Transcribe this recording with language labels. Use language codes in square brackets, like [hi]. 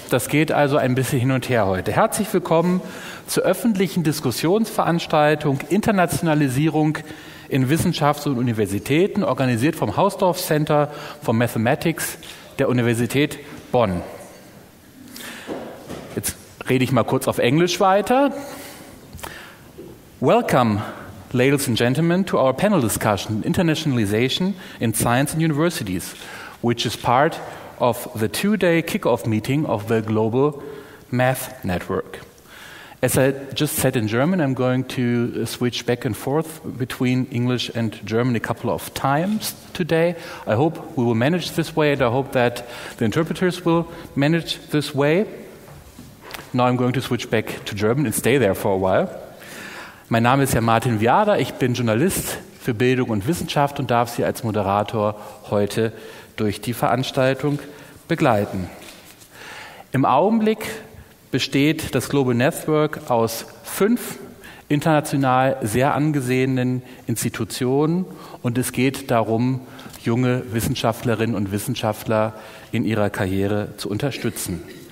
[de] Das geht also ein bisschen hin und her heute. Herzlich willkommen zur öffentlichen Diskussionsveranstaltung Internationalisierung in Wissenschafts- und Universitäten, organisiert vom Hausdorff Center for Mathematics der Universität Bonn. Jetzt rede ich mal kurz auf Englisch weiter. [en] Welcome, ladies and gentlemen, to our panel discussion, Internationalization in Science and Universities, which is part of the two-day kickoff meeting of the Global Math Network. As I just said in German, I'm going to switch back and forth between English and German a couple of times today. I hope we will manage this way, and I hope that the interpreters will manage this way. Now I'm going to switch back to German and stay there for a while. [de] Mein Name ist Herr Martin Viada, ich bin Journalist für Bildung und Wissenschaft und darf Sie als Moderator heute durch die Veranstaltung begleiten. Im Augenblick besteht das Global Network aus 5 international sehr angesehenen Institutionen und es geht darum, junge Wissenschaftlerinnen und Wissenschaftler in ihrer Karriere zu unterstützen.